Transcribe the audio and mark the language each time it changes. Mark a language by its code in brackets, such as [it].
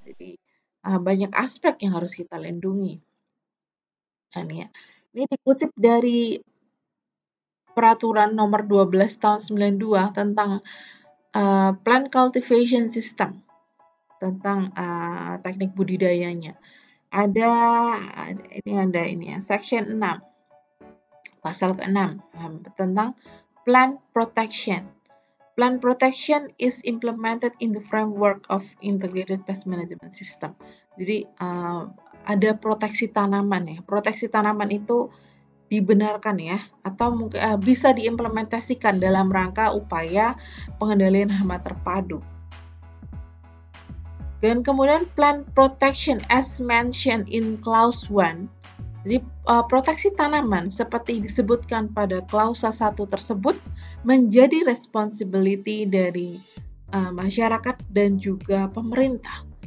[id] Jadi banyak aspek yang harus kita lindungi. Dan ya, ini dikutip dari peraturan nomor 12 tahun 92 tentang [en] plant cultivation system, [id] tentang teknik budidayanya. Ada ini ada ini ya, section 6. Pasal ke-6 tentang plant protection. [en] Plant protection is implemented in the framework of integrated pest management system. [id] Jadi ada proteksi tanaman ya. Proteksi tanaman itu dibenarkan ya, atau mungkin bisa diimplementasikan dalam rangka upaya pengendalian hama terpadu. Dan kemudian [en] plant protection as mentioned in clause 1. [id] Jadi proteksi tanaman seperti disebutkan pada klausa 1 tersebut menjadi responsibility dari masyarakat dan juga pemerintah.